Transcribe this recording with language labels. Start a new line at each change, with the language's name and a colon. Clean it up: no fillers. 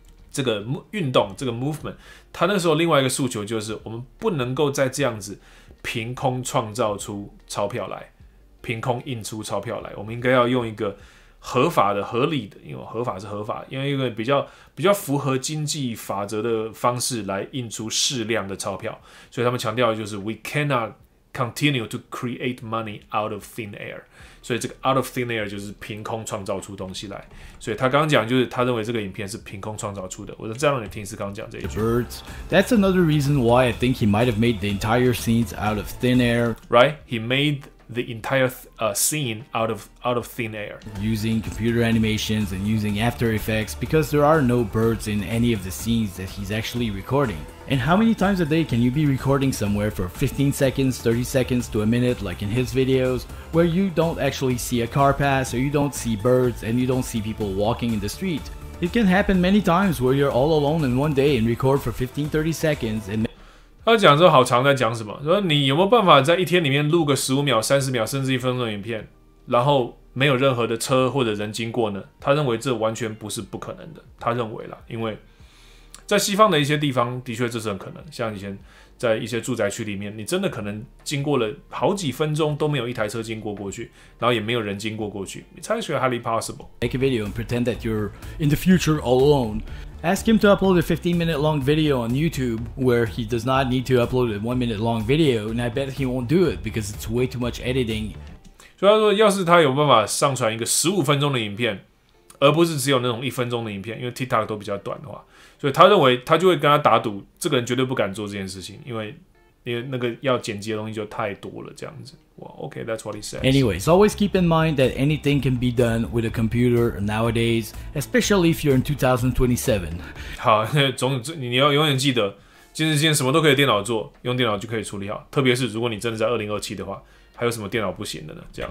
Chinese: 这个运动，这个 movement， 他那时候另外一个诉求就是，我们不能够再这样子凭空创造出钞票来，凭空印出钞票来，我们应该要用一个合法的、合理的，因为合法是合法，因为一个比较符合经济法则的方式来印出适量的钞票。所以他们强调的就是 ，
English: we cannot continue to create money out of thin air。
Chinese: 所以这个 out of thin air 就是凭空创造出东西来。所以他刚讲就是他认为这个影片是凭空创造出的。我再让你听一次刚讲这一句。
English: Birds. That's another reason why I think he might have made the entire scene out of thin air. Right? He made the entire scene out of thin air. Using computer animations and using After Effects because there are no birds in any of the scenes that he's actually recording. And how many times a day can you be recording somewhere for 15 seconds, 30 seconds to a minute like in his videos? Where you don't actually see a car pass, or you don't see birds, and you don't see people walking in the street. It can happen many times where you're all alone in one day and record for 15-30 seconds. And
Chinese: 他讲这好长，在讲什么？说你有没有办法在一天里面录个15秒、30秒，甚至1分钟影片，然后没有任何的车或者人经过呢？他认为这完全不是不可能的。他认为啦，因为在西方的一些地方，的确这是很可能，像以前。在一些住宅区里面，你真的可能经过了好几分钟都没有一台车经过过去，然后也没有人经过过去。
English: It's actually highly possible. Make a video and pretend that you're in the future all alone. Ask him to upload a 15-minute long video on YouTube where he does not need to upload a 1-minute long video, and I bet he won't do it because it's way too much editing.
Chinese: 所以他说，要是他有办法上传一个15分钟的影片，而不是只有那种1分钟的影片，因为 TikTok 都比较短的话。所以他认为，他就会跟他打赌，这个人绝对不敢做这件事情，因为那个要剪辑的东西就太多了，这样子。
English: Well, okay, that's what he says. Anyways, always keep in mind that anything can be done with a computer nowadays, especially if you're in 2027.
Chinese: 好，你要永远记得，今时今日什么都可以电脑做，用电脑就可以处理好。特别是如果你真的在2027的话，还有什么电脑不行的呢？这样。